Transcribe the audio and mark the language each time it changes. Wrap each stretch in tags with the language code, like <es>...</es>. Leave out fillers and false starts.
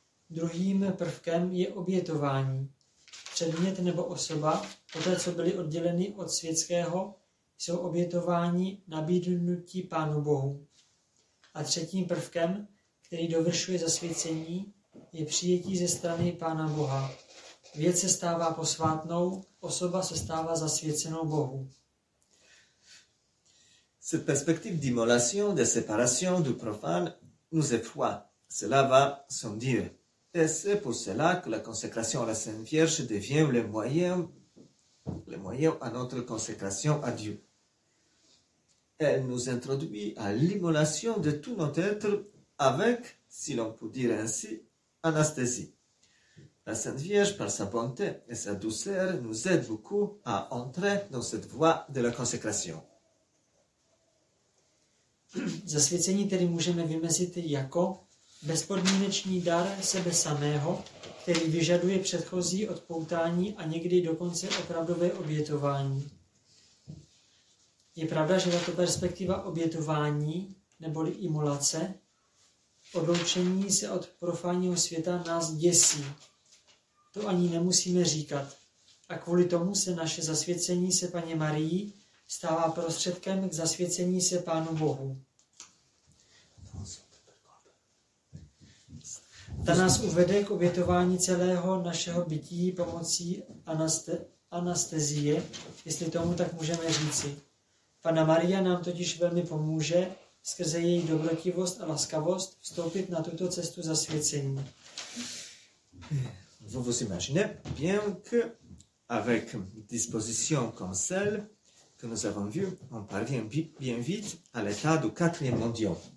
<cs>Druhým prvkem je obětování. Předmět nebo osoba, poté co byly odděleny od světského, jsou obětováni nabídnutí Pánu Bohu. A třetím prvkem, který dovršuje zasvěcení, je přijetí ze strany Pána Boha. Věc se stává posvátnou, osoba se stává zasvěcenou Bohu.</cs> <fr>Cette perspective d'immolation, de séparation du profane, nous effraie. Cela va sans dire. Et c'est pour cela que la consécration à la Sainte Vierge devient le moyen à notre consécration à Dieu. Elle nous introduit à l'immolation de tout notre être avec, si l'on peut dire ainsi, anesthésie. La Sainte Vierge, par sa bonté et sa douceur, nous aide beaucoup à entrer dans cette voie de la consécration.</fr> <cs>Zasvěcení tedy můžeme vymezit jako bezpodmínečný dar sebe samého, který vyžaduje předchozí odpoutání a někdy dokonce opravdové obětování. Je pravda, že tato perspektiva obětování neboli imolace, odloučení se od profánního světa, nás děsí. To ani nemusíme říkat. A kvůli tomu se naše zasvěcení se Panně Marii stává prostředkem k zasvěcení se Pánu Bohu. Ta nás uvede k obětování celého našeho bytí pomocí anestezie, jestli tomu tak můžeme říci. Panna Maria nám totiž velmi pomůže skrze její dobrotivost a laskavost vstoupit na tuto cestu zasvěcení.</cs> <fr>Vous imaginez bien que avec disposition comme celle que nous avons vue, on parvient bien vite à l'état du quatrième mondial.</fr>